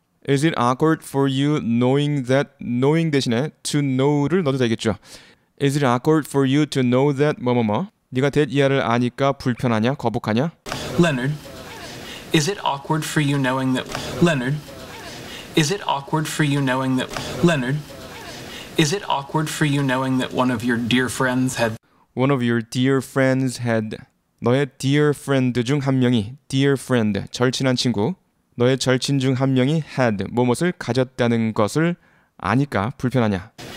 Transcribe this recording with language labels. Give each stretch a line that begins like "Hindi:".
English: Is it awkward for you knowing that, knowing 대신에 to know를
Korean: 넣어도 되겠죠.
English: Is it awkward for you to know that 뭐뭐뭐?
Korean: 네가 that 이하를 아니까 불편하냐, 거북하냐?
English: Leonard, is it awkward for you knowing that, Leonard? Is it awkward for you knowing that, Leonard? Is it awkward for you knowing that one of your dear friends had one of your dear friends had
Korean: 너의 dear friend 중 한 명이 dear friend 절친한 친구 너의 절친 중 한 명이 had 무엇을 가졌다는 것을 아니까 불편하냐